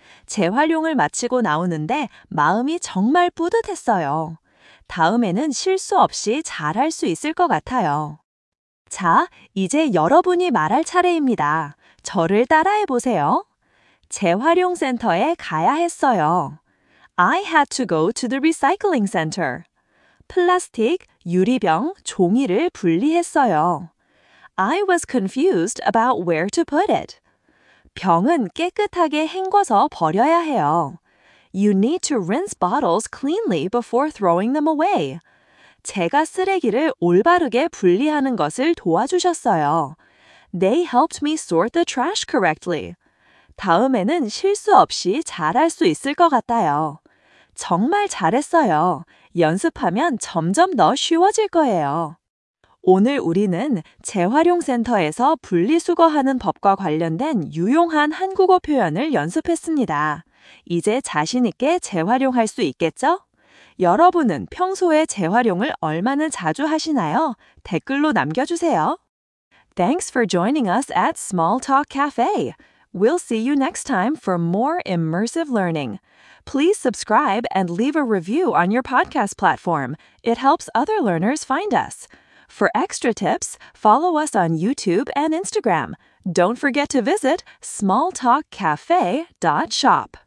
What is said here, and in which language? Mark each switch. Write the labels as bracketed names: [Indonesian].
[Korean] 재활용을 마치고 나오는데 마음이 정말 뿌듯했어요. 다음에는 실수 없이 잘할 수 있을 것 같아요. 자, 이제 여러분이 말할 차례입니다. 저를 따라해 보세요. 재활용센터에 가야 했어요. [English] I had to go to the recycling center. [Korean] 플라스틱, 유리병, 종이를 분리했어요. [English] I was confused about where to put it. [Korean] 병은 깨끗하게 헹궈서 버려야 해요. [English] You need to rinse bottles cleanly before throwing them away. [Korean] 제가 쓰레기를 올바르게 분리하는 것을 도와주셨어요. [English] They helped me sort the trash correctly. [Korean] 다음에는 실수 없이 잘할 수 있을 것 같아요. 정말 잘했어요. 연습하면 점점 더 쉬워질 거예요. 오늘 우리는 재활용센터에서 분리수거하는 법과 관련된 유용한 한국어 표현을 연습했습니다. 이제 자신 있게 재활용할 수 있겠죠? 여러분은 평소에 재활용을 얼마나 자주 하시나요? 댓글로 남겨주세요. [English] Thanks for joining us at Small Talk Cafe. We'll see you next time for more immersive learning. Please subscribe and leave a review on your podcast platform. It helps other learners find us. For extra tips, follow us on YouTube and Instagram. Don't forget to visit smalltalkcafe.shop.